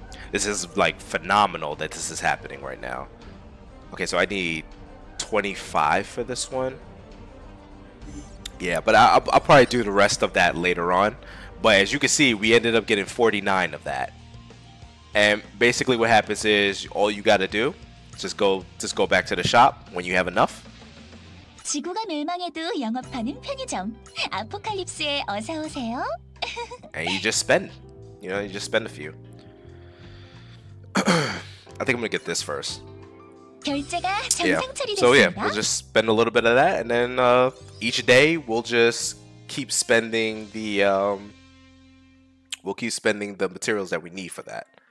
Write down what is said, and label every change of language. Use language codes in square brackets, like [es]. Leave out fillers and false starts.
[en] This is like phenomenal that this is happening right now. Okay, so I need 25 for this one. Yeah, but I'll probably do the rest of that later on. But as you can see, we ended up getting 49 of that. And basically what happens is all you got to do is just go back to the shop when you have enough. [ko] 지구가 멸망해도 영업하는 편의점 아포칼립스에 어서 오세요. [en] And you just spend. You know, you just spend a few. I think I'm going to get this first. [ko] 결제가 정상 처리. [en] So yeah, we'll just spend a little bit of that, and then each day we'll just keep spending the materials that we need for that.